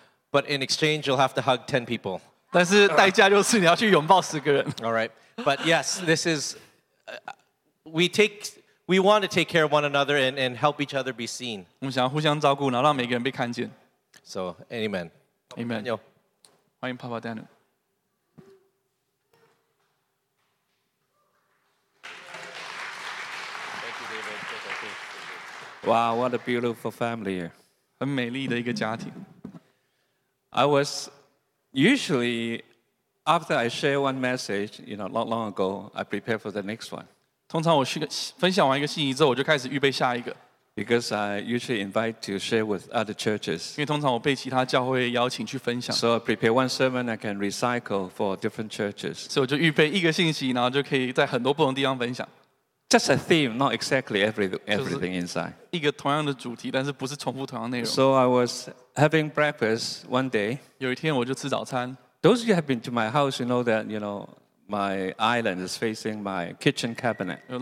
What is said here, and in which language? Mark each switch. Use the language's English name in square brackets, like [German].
[English] but in exchange, you'll have to hug 10 people. [Chinese] 但是代价就是你要去拥抱10个人。 [English] All right. But yes, this is... We want to take care of one another and help each other be seen. [Chinese] 我们想要互相照顾, 然后让每个人被看见。 [English] So, amen. [Chinese] Amen. 欢迎爸爸 Daniel. [English] Wow, what a beautiful family. [Chinese] 很美丽的一个家庭。 [English] I was usually, after I share one message, you know, not long ago, I prepare for the next one. [Chinese] 通常我分享完一个信息之后，我就开始预备下一个。 [English] Because I usually invite to share with other churches. [Chinese] 因为通常我被其他教会邀请去分享。 [English] So I prepare one sermon I can recycle for different churches. [Chinese] 所以我就预备一个信息，然后就可以在很多不同地方分享。 [English] Just a theme, not exactly everything inside. [Chinese] 一个同样的主题，但是不是重复同样内容。 [English] So I was having breakfast one day. [Chinese] 有一天我就吃早餐。 [English] Those of you have been to my house, you know that you know my island is facing my kitchen cabinet.